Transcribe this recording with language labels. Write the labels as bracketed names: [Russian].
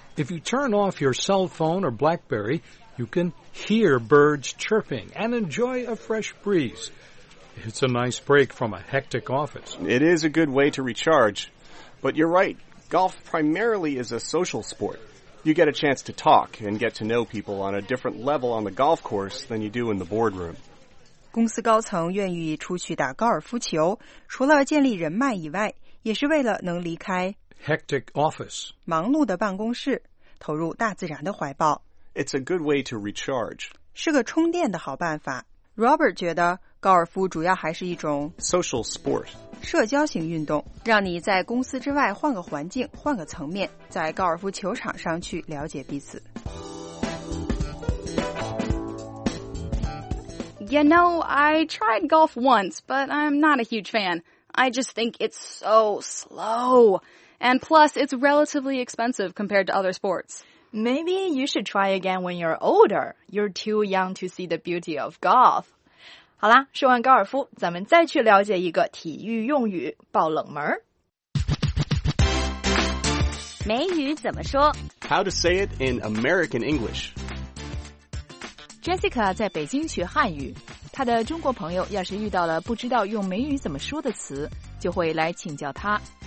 [English] If you turn off your cell phone or BlackBerry, you can hear birds chirping and enjoy a fresh breeze. It's a nice break from a hectic office. It is a good way to recharge, but you're right. Golf primarily is a social sport. You get a chance to talk and get to know people on a different level on the golf course than you do in the boardroom. [Chinese] 公司高层愿意出去打高尔夫球，除了建立人脉以外，也是为了能离开 [English] hectic office [Chinese] 忙碌的办公室，投入大自然的怀抱。 [English] It's a good way to recharge. [Chinese] 是个充电的好办法。Robert 觉得高尔夫主要还是一种 [English] social sport， [Chinese] 社交型运动，让你在公司之外换个环境，换个层面，在高尔夫球场上去了解彼此。 [English] You know, I tried golf once, but I'm not a huge fan. I just think it's so slow. And plus, it's relatively expensive compared to other sports. Maybe you should try again when you're older. You're too young to see the beauty of golf. [Chinese] 好啦，说完高尔夫，咱们再去了解一个体育用语，爆冷门。美语怎么说？ [English] How to say it in American English? [Chinese] Jessica 在北京学汉语，她的中国朋友要是遇到了不知道用美语怎么说的词，就会来请教她。